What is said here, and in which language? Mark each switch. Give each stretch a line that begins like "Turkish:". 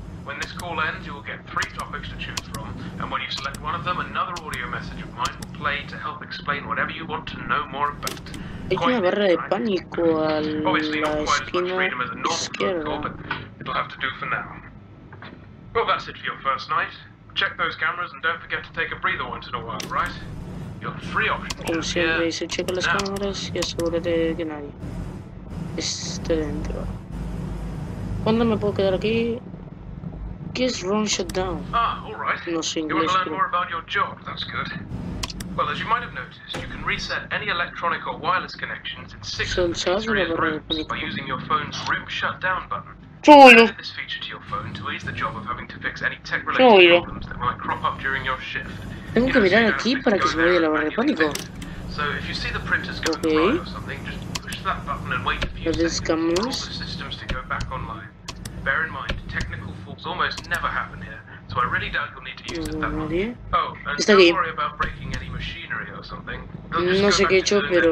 English: When this call ends, you will get three topics to choose from, and when you select one of them, another audio message of mine will play to help explain whatever you want to know more about. Quite good, right? Obviously, not quite as much freedom as a normal phone call, but it'll have to do for now. Well, that's it for your first night. Check those cameras and don't forget to take a breather once in a while, right? You have three options here.
Spanish: Como siempre, si checa las cámaras y asegúrate de que nadie esté dentro. ¿Cuándo me puedo quedar aquí? ¿Qué es Run Shutdown?
English: Ah, alright.
Spanish: No sé inglés,
English: you want to learn more about your job, that's good. Well, as you might have noticed, you can reset any electronic or wireless connections in six of the pizzeria's rooms by using your phone's room shutdown button. Add this feature to your phone to ease the job of having to fix any tech-related problems that might crop up during your shift.
Spanish: Tengo que mirar aquí para que se me vaya la barra de pánico.
English: So if you see the printers going right or something, just push that button and wait a few seconds for all the systems to go back online. Bear in mind, technical faults almost never happen here, so I really doubt you'll need to use it that much. Oh, and
Spanish: está
English: don't
Spanish: bien.
English: Worry about breaking any machinery or something.
Spanish: No sé qué he hecho, pero...